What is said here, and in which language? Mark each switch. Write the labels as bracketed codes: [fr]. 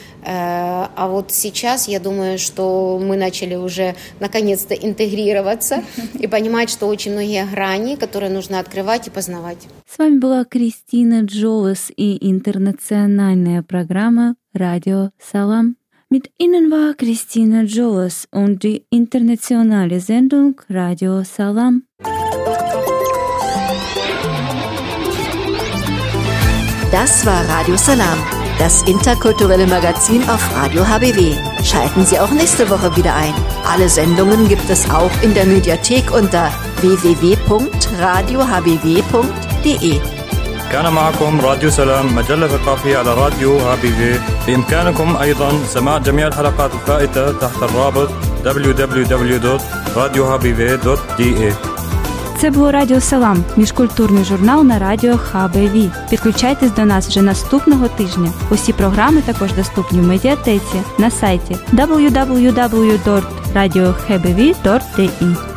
[ru] А вот сейчас, я думаю, что мы начали уже наконец-то интегрироваться и понимать, что очень многие грани, которые нужно открывать и познавать. С вами была Кристина Джолес и интернациональная программа «Радио Салам». [de] Mit Ihnen war Кристина Джолес und die internationale Sendung «Радио Салам». Das war «Радио Салам». Das interkulturelle Magazin auf Radio HBW. Schalten Sie auch nächste Woche wieder ein. Alle Sendungen gibt es auch in der Mediathek unter www.radiohbw.de. [ar] كان معكم راديو سلام مجلة ثقافية على راديو HBW. بإمكانكم أيضا سماع جميع الحلقات الفائتة تحت الرابط www.radiohbw.de. [uk] Це було Радіо Салам, міжкультурний журнал на радіо HBW. Підключайтесь до нас вже наступного тижня. Усі програми також доступні в медіатеці на сайті www.radiohbw.de.